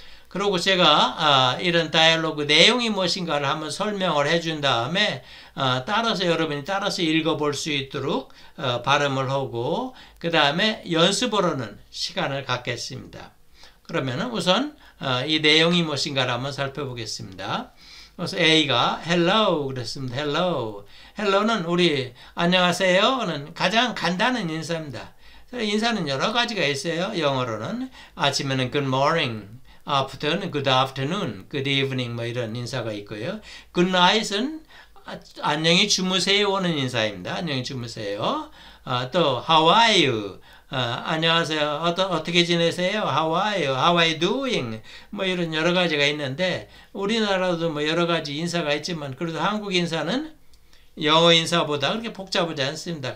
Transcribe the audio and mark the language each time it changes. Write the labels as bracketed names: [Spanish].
[Korean] 그리고 제가 이런 다이얼로그 내용이 무엇인가를 한번 설명을 해준 다음에 따라서 여러분이 따라서 읽어볼 수 있도록 발음을 하고 그 다음에 연습으로는 시간을 갖겠습니다. 그러면 우선 이 내용이 무엇인가를 한번 살펴보겠습니다. 그래서 A가 Hello 그랬습니다. [English] Hello. [Korean] Hello는 우리 안녕하세요는 가장 간단한 인사입니다. 인사는 여러 가지가 있어요. 영어로는 아침에는 [English] Good morning, Afternoon, Good afternoon, Good evening [Korean] 뭐 이런 인사가 있고요. Good night은 안녕히 주무세요 오는 인사입니다. 안녕히 주무세요. 또 [English] How are you? [Korean] 안녕하세요. 어떻게 지내세요? [English] How are you? How are you doing? [Korean] 뭐 이런 여러 가지가 있는데 우리나라도 뭐 여러 가지 인사가 있지만 그래도 한국 인사는 영어 인사보다 그렇게 복잡하지 않습니다.